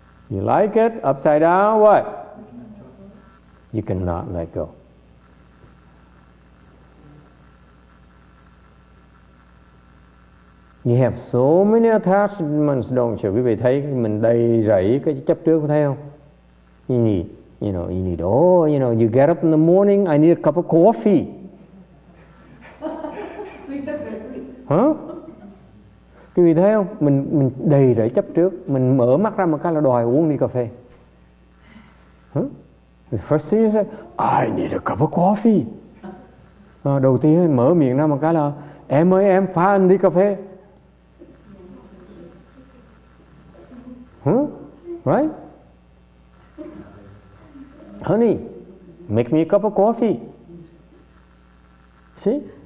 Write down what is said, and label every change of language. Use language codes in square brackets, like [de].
[en] You like it upside down, what? You cannot let go. You have so many attachments, don't you? [vi] Quý vị thấy mình đầy rẫy cái chấp trước của thấy không? [en] You need, you know, you need, oh, you know, you get up in the morning, I need a cup of coffee. [vi] Quý vị thấy không? Mình đầy rẫy chấp trước, mình mở mắt ra một cái là đòi uống đi cà phê. [en] The first thing you say, I need a cup of coffee. [vi] Đầu tiên mở miệng ra một cái là, em ơi em pha anh đi cà phê. [en] Right? Honey, make me a cup of coffee. See?